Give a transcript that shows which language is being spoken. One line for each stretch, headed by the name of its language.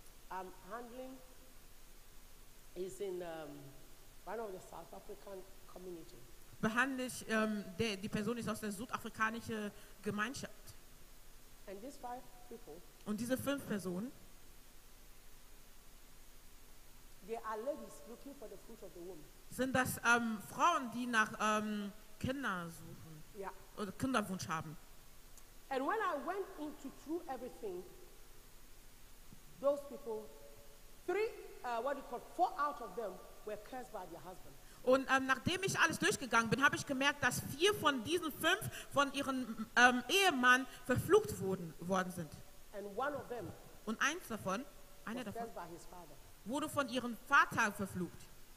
English: I'm handling is in one of the South African community.
German: Behandle ich, die Person ist aus der südafrikanischen Gemeinschaft.
English: And these 5 people,
German: und diese 5 Personen,
English: they are ladies looking for the fruit of the womb.
German: Sind das Frauen, die nach Kinder suchen.
English: Yeah.
German: Oder Kinderwunsch haben.
English: And when I went into through everything, those people, 4 out of them were cursed by their husband.
German: Und nachdem ich alles durchgegangen bin, habe ich gemerkt, dass 4 von diesen 5 von ihrem Ehemann verflucht worden sind.
English: And one of them,
German: und eins davon, einer davon, wurde von ihrem Vater verflucht.